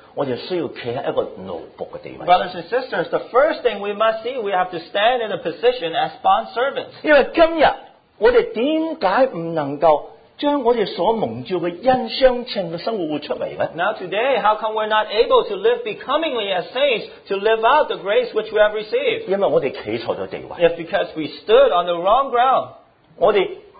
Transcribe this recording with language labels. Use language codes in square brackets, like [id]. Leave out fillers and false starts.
[en] brothers and sisters, the first thing we must see, we have to stand in a position as bond servants. [zh] 因为今天我们为什么不能够 将我们所蒙召的恩相称的生活活出来呢? [en] Now today, how come we're not able to live becomingly as saints to live out the grace which we have received? [zh] 因为我们站错了地位。 [en] It's because we stood on the wrong ground.